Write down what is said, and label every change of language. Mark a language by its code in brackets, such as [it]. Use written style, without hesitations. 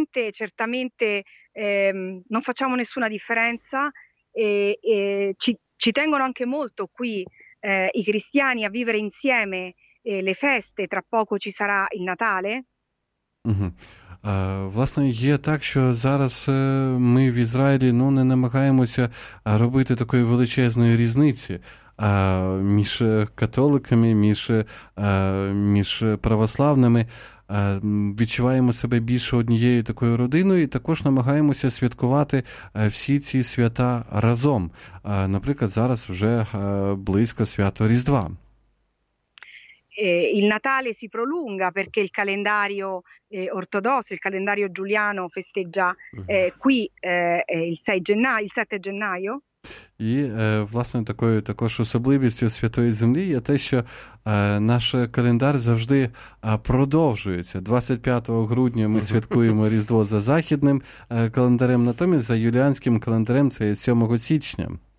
[it] Certamente, non facciamo nessuna differenza. Ci tengono anche molto qui i cristiani a vivere insieme le feste, tra poco ci sarà il Natale. Mm-hmm. [uk] Власне, є так, що зараз ми в Ізраїлі не намагаємося робити такої величезної різниці між католиками, між православними. Відчуваємо себе більше однією такою родиною і також намагаємося святкувати всі ці свята разом. Наприклад, зараз вже близько свято Різдва. [it] Il Natale si prolunga perché il calendario ortodosso, il calendario giuliano festeggia qui il 6 gennaio, il 7 gennaio. [uk] І, власне, такою також особливістю Святої Землі є те, що наш календар завжди продовжується. 25 грудня ми святкуємо Різдво за західним календарем, натомість за юліанським календарем це 7 січня.